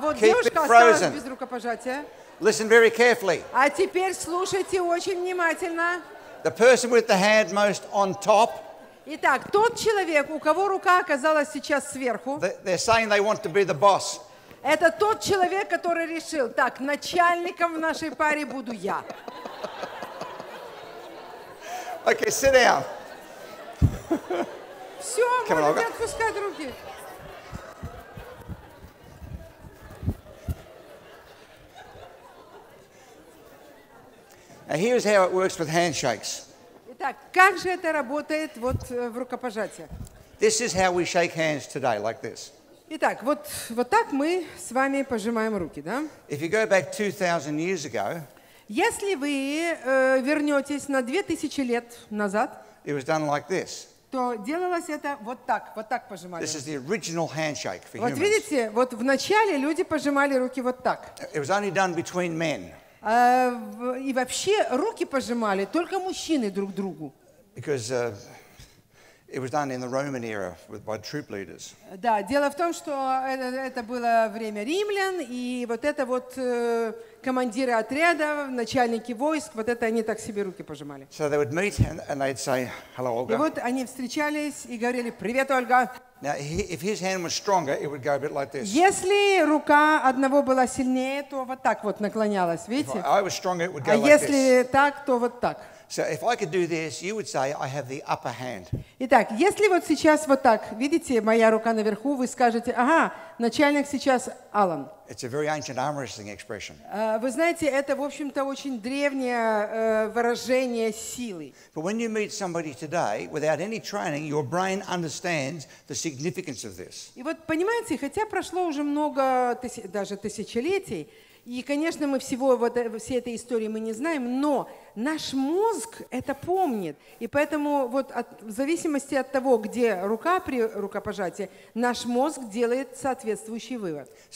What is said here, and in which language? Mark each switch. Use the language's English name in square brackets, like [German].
[Russian] Вот девушка осталась без рукопожатия. [English] Listen very carefully. [Russian] А теперь слушайте очень внимательно. [English] The person with the hand most on top. [Russian] Итак, тот человек, у кого рука оказалась сейчас сверху. [English] They're saying they want to be the boss. [Russian] Это тот человек, который решил: так, начальником в нашей паре буду я. [English] Okay, sit down. [Russian] Все, можно не отпускать руки. [English] Now here's how it works with handshakes. [Russian] Итак, как же это работает вот в рукопожатиях? [English] This is how we shake hands today, like this. [Russian] Итак, вот так мы с вами пожимаем руки, да? [English] If you go back 2,000 years ago. [Russian] Если вы вернетесь на 2000 лет назад, [English] it was done like this. [Russian] То делалось это вот так пожимали. [English] This is the original handshake for humans. [Russian] Вот видите, вот в начале люди пожимали руки вот так. [English] It was only done between men. [Russian] И вообще руки пожимали только мужчины друг другу. [English] Because it was done in the Roman era by troop leaders. [Russian] Да, дело в том, что это было время римлян, и вот это вот командиры отряда, начальники войск, вот это они так себе руки пожимали. [English] So they would meet and they'd say, "Hello, Olga." [Russian] И вот они встречались и говорили: "Привет, Ольга." [English] Now, if his hand was stronger, it would go a bit like this. [Russian] Если рука одного была сильнее, то вот так вот наклонялась, видите? [English] If I was stronger, it would go like this. [Russian] А если так, то вот так. [English] So if I could do this, you would say I have the upper hand. [Russian] Итак, если вот сейчас вот так, видите, моя рука наверху, вы скажете: "Ага, начальник сейчас Алан." [English] It's a very ancient arm wrestling expression. [Russian] Вы знаете, это, в общем-то, очень древнее выражение силы. [English] But when you meet somebody today, without any training, your brain understands the significance of this. [Russian] И вот понимаете, хотя прошло уже много, даже тысячелетий, и, конечно, мы всего вот всей этой истории мы не знаем, но наш мозг это помнит. И поэтому вот в зависимости от того, где рука при рукопожатии, наш мозг делает соответствующий вывод.